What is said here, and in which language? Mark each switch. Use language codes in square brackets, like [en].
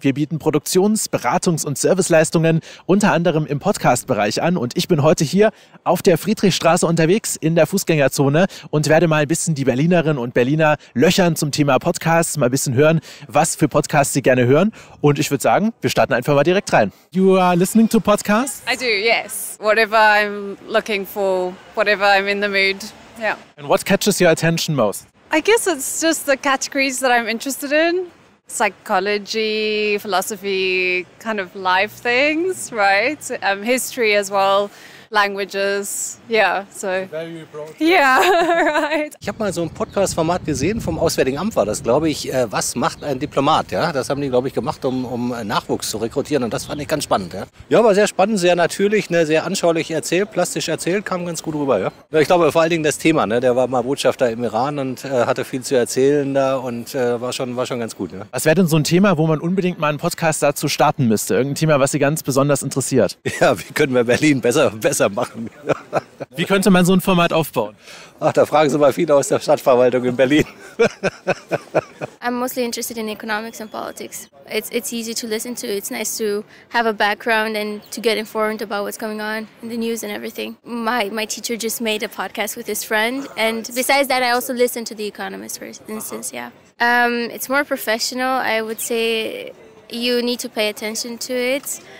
[de] Wir bieten Produktions-, Beratungs- und Serviceleistungen unter anderem im Podcast-Bereich an. Und ich bin heute hier auf der Friedrichstraße unterwegs in der Fußgängerzone und werde mal ein bisschen die Berlinerinnen und Berliner löchern zum Thema Podcasts, mal ein bisschen hören, was für Podcasts sie gerne hören. Und ich würde sagen, wir starten einfach mal direkt rein. [en] You are listening to podcasts? I do, yes. Whatever I'm looking for, whatever I'm in the mood, yeah. And what catches your attention most? I guess it's just the categories that I'm interested in. Psychology, philosophy, kind of life things, right? History as well, languages, yeah. So. Very broad. Yeah, right. [de] Ich habe mal so ein Podcast-Format gesehen vom Auswärtigen Amt, war das, glaube ich, was macht ein Diplomat, ja? Das haben die, glaube ich, gemacht, um Nachwuchs zu rekrutieren und das fand ich ganz spannend, ja? Ja, war sehr spannend, sehr natürlich, ne, sehr anschaulich erzählt, plastisch erzählt, kam ganz gut rüber, ja? Ich glaube, vor allen Dingen das Thema, ne? Der war mal Botschafter im Iran und hatte viel zu erzählen da und war schon ganz gut, ne? Was wäre denn so ein Thema, wo man unbedingt mal einen Podcast dazu starten müsste? Irgendein Thema, was Sie ganz besonders interessiert? Ja, wie können wir Berlin besser machen? Wie könnte man so ein Format aufbauen? Ach, da fragen Sie mal viele aus der Stadtverwaltung in Berlin. [en] I'm mostly interested in economics and politics. It's easy to listen to. It's nice to have a background and to get informed about what's going on in the news and everything. My teacher just made a podcast with his friend. And besides that, I also listen to The Economist, for instance, yeah. It's more professional, I would say. You need to pay attention to it.